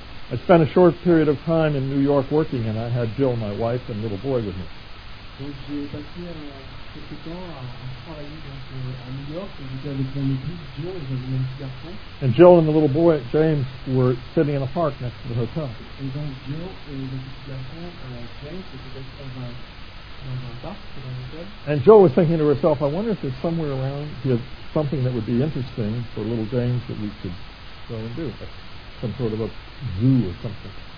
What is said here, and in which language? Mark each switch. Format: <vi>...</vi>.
<en>I spent a short period of time in New York working, and I had Jill, my wife, and little boy with me.</en> <fr>Donc j'ai passé quelques temps à travailler donc, à New York, et j'étais avec mon épouse, Jill, et j'avais mon petit garçon.</fr> <en>And Jill and the little boy, James, were sitting in a park next to the hotel.</en> <fr>Et donc Jill et le petit garçon, James, étaient dans un parc, dans un hôtel.</fr> <en>And Jill was thinking to herself, I wonder if there's somewhere around here something that would be interesting for little James that we could go and do, some sort of a zoo or something.</en>